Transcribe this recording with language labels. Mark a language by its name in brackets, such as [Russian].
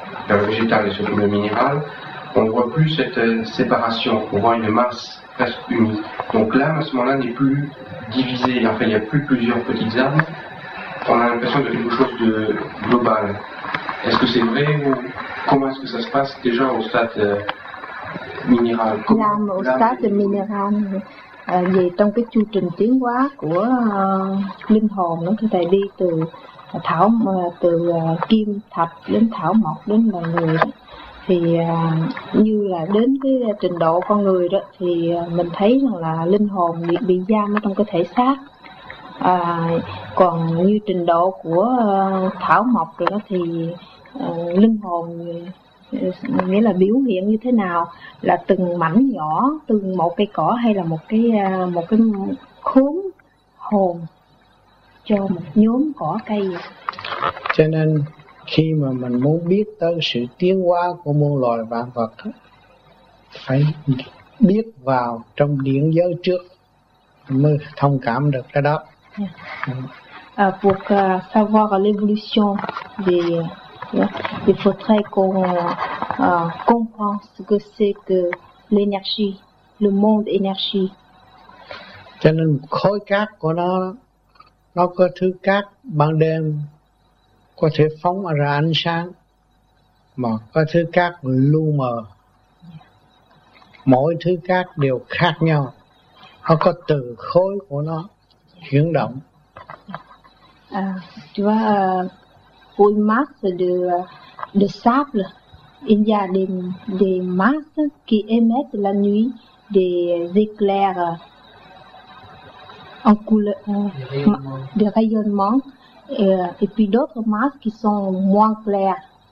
[French] vers le végétal et surtout le minéral, on ne voit plus cette séparation, on voit une masse presque unie. Donc l'âme à ce moment-là n'est plus divisée, enfin il n'y a plus plusieurs petites âmes, on a l'impression de quelque chose de global. Est-ce que c'est vrai ou comment est-ce que ça se passe déjà au stade minéral? L'âme au stade minéral, [Vietnamese] về trong cái chu trình tiến hóa của linh hồn nó có thể đi từ thảo từ kim thạch đến thảo mộc đến loài người đó. Thì như là đến cái trình độ con người đó thì mình thấy rằng là linh hồn bị giam ở trong cơ thể xác, còn như trình độ của thảo mộc rồi đó thì linh hồn nghĩa là biểu hiện như thế nào, là từng mảnh nhỏ từ một cây cỏ hay là một cái khốn hồn cho một nhóm cỏ cây. Cho nên khi mà mình muốn biết tới sự tiến hóa của muôn loài vạn vật phải biết vào trong điển giới trước mới thông cảm được cái đó. [French] Pour savoir l'évolution des il faudrait qu'on comprenne ce que c'est que l'énergie, le monde énergie. [Vietnamese] Cho nên khối cát của nó có thứ cát ban đêm có thể phóng ra ánh sáng, mà có thứ cát lu mờ. Mỗi thứ cát đều khác nhau, nó có từ khối của nó chuyển động. [French] Tu vois, pour une masse de sable, il y a des masses qui émettent la nuit des éclairs en couleur, des rayonnements, et puis d'autres masses qui sont moins claires.